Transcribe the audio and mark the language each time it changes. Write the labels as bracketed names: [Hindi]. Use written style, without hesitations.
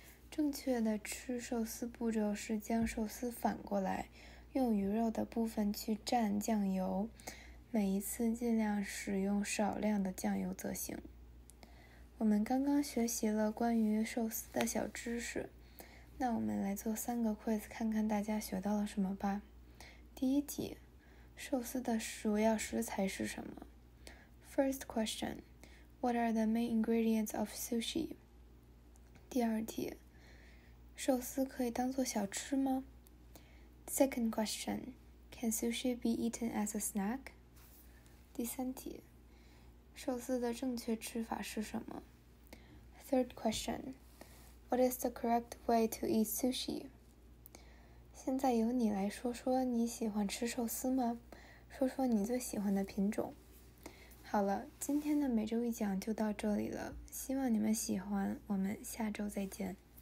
[Chinese] 正确的吃寿司步骤是将寿司反过来，用鱼肉的部分去蘸酱油，每一次尽量使用少量的酱油则行。我们刚刚学习了关于寿司的小知识，那我们来做三个 quiz， 看看大家学到了什么吧。第一题，寿司的主要食材是什么？ [English] First question, what are the main ingredients of sushi? [Chinese] 第二题，寿司可以当做小吃吗？ [English] Second question, can sushi be eaten as a snack? [Chinese] 第三题，寿司的正确吃法是什么？ [English] Third question,What is the correct way to eat sushi? [Chinese] 现在由你来说说你喜欢吃寿司吗？说说你最喜欢的品种。好了，今天的每周一讲就到这里了，希望你们喜欢，我们下周再见。